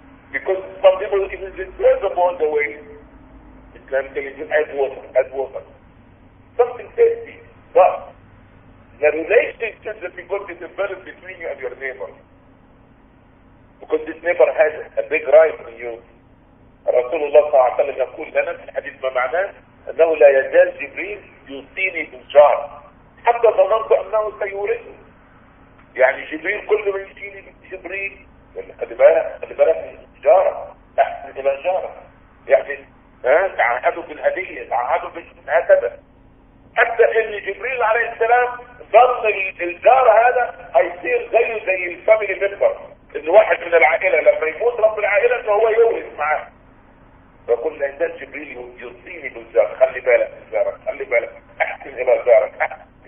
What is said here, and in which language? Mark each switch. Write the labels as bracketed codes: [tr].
[en] Because some people even destroy the bone the way Islam tells you, add water. Something tasty, but the relationship that you got to develop between you and your neighbor, because this never had a big right on you. [ar] رسول الله صلى الله عليه وسلم يقول لنا في الحديث ما معناه أنه لا يزال جبريل يوصيني بالجار حتى ظننت أنه سيورثني. يعني جبريل كل ما يوصيني جبريل خلي بالك من التجارة أحسن إلى جارة يعني تعهدوا بالهدية تعهدوا بالمعتبة حتى أن جبريل عليه السلام ظن الجار هذا هيصير زيه زي [en] الفاميلي ميمبر [ar] أن واحد من العائلة لما يموت رب العائلة فهو يورث معاه فقل لا يزال جبريل يوصيني بالجار خلي بالك من جارك خلي بالك أحسن إلى جارك أحسن